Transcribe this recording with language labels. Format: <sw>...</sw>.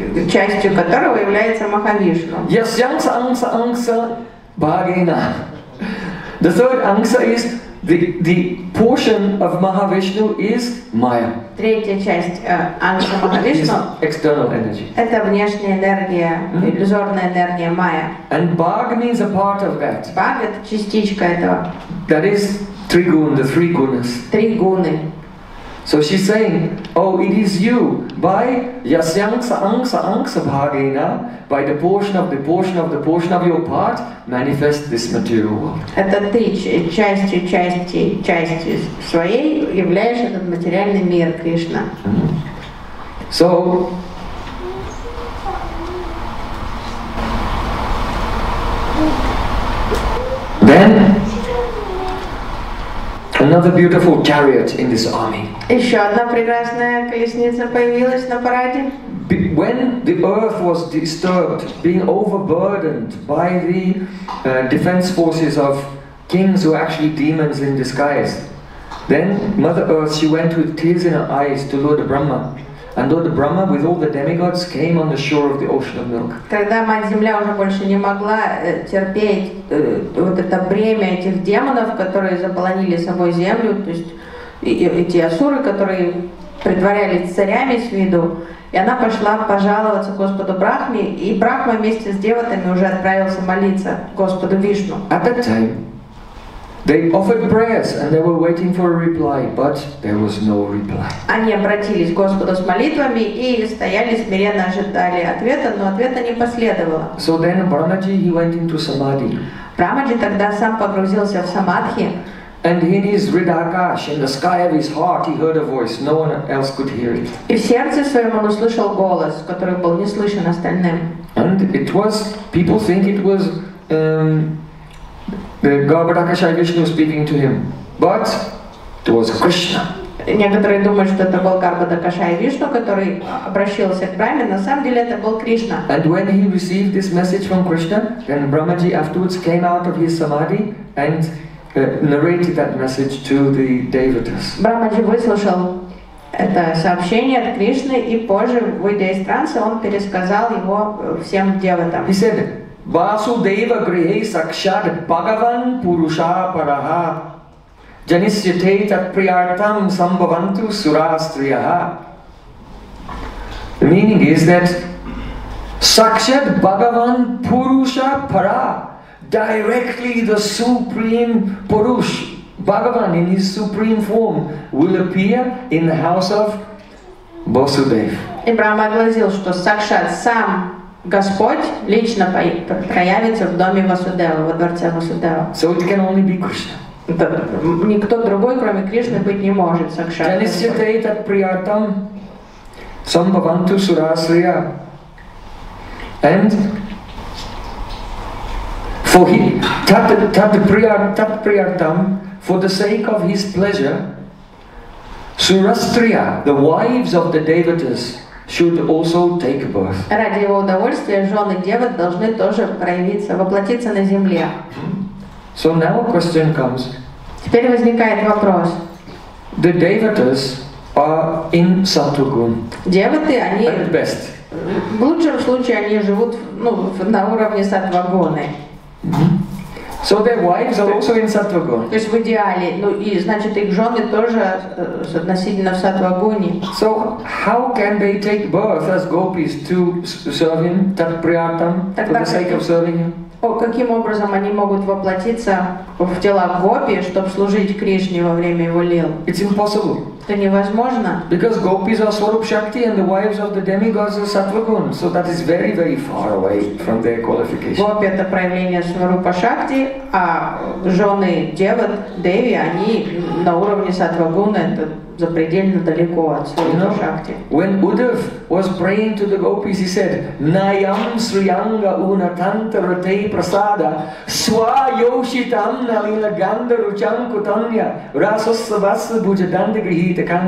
<ru>Частью которого является Махавишну.</ru> <sa>Yasyansa ansa ansa bhagena.</sa> <en>The third ansa is the portion of Mahavishnu is Maya.</en> <ru>Третья часть ansa Mahavishnu.</ru> <en>External energy.</en> <ru>Это внешняя энергия, иллюзорная энергия Maya.</ru> <en>And bhag means a part of that.</en> <ru>Bhag – это частичка этого.</ru> <en>That is Trigun, the three gunas. Triguni. So she's saying, oh, it is you, by</en> <sa>yasyansa angsa angsa bhagena,</sa> <en>by the portion of the portion of the portion of your part, manifest this material world.</en> <ru>Это ты, частью своей, являешь этот материальный мир, Кришна.</ru> <en>So, then, another beautiful chariot in this army.</en> <ru>Еще одна прекрасная колесница появилась на параде.</ru> <en>When the earth was disturbed, being overburdened by the defense forces of kings who are actually demons in disguise, then Mother Earth, she went with tears in her eyes to Lord Brahma. And Lord Brahma, with all the demigods, came on the shore of the ocean of milk.</en> <ru>Когда мать земля уже больше не могла терпеть вот это бремя этих демонов, которые заполонили собой землю, то есть эти асуры, которые притворялись царями с виду, и она пошла пожаловаться Господу Брахме, и Брахма вместе с деватами уже отправился молиться Господу Вишну.</ru> <en>At that time, they offered prayers and they were waiting for a reply, but there was no reply.</en> <ru>Они обратились к Господу с молитвами и стояли смиренно ожидали ответа, но ответа не последовало.</ru> <en>So then Brahmaji, he went into samadhi.</en> <ru>Брахмаджи тогда сам погрузился в самадхи.</ru> <en>And in his Hridayakash, in the sky of his heart, he heard a voice. No one else could hear it.</en> <ru>И в сердце своем он услышал голос, который был не слышен остальным.</ru> <en>And it was, people think it was the Garbhodakasha Vishnu speaking to him, but it was Krishna.</en> <ru>Некоторые думают, что это был Гарбхадакаша и Вишну, который обращался к Брахме. На самом деле это был Кришна.</ru> <en>And when he received this message from Krishna, then Brahmaji afterwards came out of his samadhi and narrated that message to the devotees.</en> <ru>Брахмаджи выслушал это сообщение от Кришны и позже, выйдя из транса, он пересказал его всем девотам.</ru> <en>He said,</en> <sa>Vasudeva grihe sakshad Bhagavan purusha paraha janisyate tat priyartam sambhavantu surastriyaha.</sa> <en>The meaning is that</en> <sa>sakshad Bhagavan purusha para,</sa> <en>directly the supreme Purush, Bhagavan in his supreme form, will appear in the house of Vasudev.</en> <ru>И Брахма огласил, что сакшат сам Господь лично проявится в доме Васудева, во дворце Васудева.</ru> <en>So it can only be Krishna.</en> <ru>Никто другой, кроме Кришны, быть не может сакшат.</ru> <sa>Janisyate tat priyartam sambhavantu surasriya.</sa> <en>And for him,</en> <sa>tat priyartam,</sa> <en>for the sake of his pleasure, surastriya, the wives of the devatas, should also take birth.</en> <ru>Ради его удовольствия жены девот должны тоже проявиться, воплотиться на земле.</ru> <en>So now a question comes.</en> <ru>Теперь возникает вопрос.</ru> <en>The devatas are in Satvagun.</en> <ru>Девоты, они</ru> <en>at best.</en> <ru>В лучшем случае они живут, ну, на уровне сатвагуны.</ru> <en>So their wives are also in Satvagun.</en> <ru>То есть в идеале, ну и значит их жены тоже относительно в Сатвагуне.</ru> <en>So how can they take birth as gopis to serve him,</en> <sa>tat priyartam,</sa> <en>for the sake of serving him?</en> <ru>О, каким образом они могут воплотиться в тела гопи, чтобы служить Кришне во время его лил?</ru> <en>It's impossible.</en> <ru>Это невозможно.</ru> <en>Because gopis are Swarup Shakti and the wives of the demigods are Satvagun, so that is very, very far away from their qualification.</en> <ru>Гопи — это проявление Сварупа Шакти, а жены девот, деви, они на уровне Сатвагуны, это запредельно далеко от Сварупа Шакти.</ru> <en>When Uddhav was praying to the gopis, he said,</en> <sa>Nayam Sriyanga Unatantarate Prasada Swayoshitam Nalila Gandharucham Kutanya Rasasvasa Bhujadandagri.</sa>